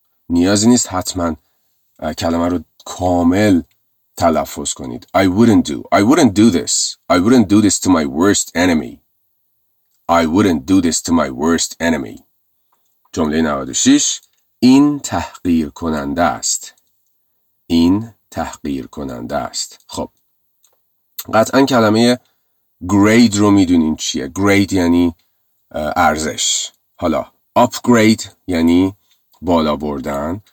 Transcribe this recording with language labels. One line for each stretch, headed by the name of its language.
Persian: نیازی نیست حتما کلمه رو کامل تلفظ کنید.
English: I wouldn't do. I wouldn't do this. I wouldn't do this to my worst enemy. I wouldn't do this to my worst enemy.
Persian: جمله 96 این تحقیر کننده است. این تحقیر کننده است. خب قطعا کلمه گرید رو میدونین چیه. گرید یعنی ارزش. حالا اپگرید یعنی بالا بردن.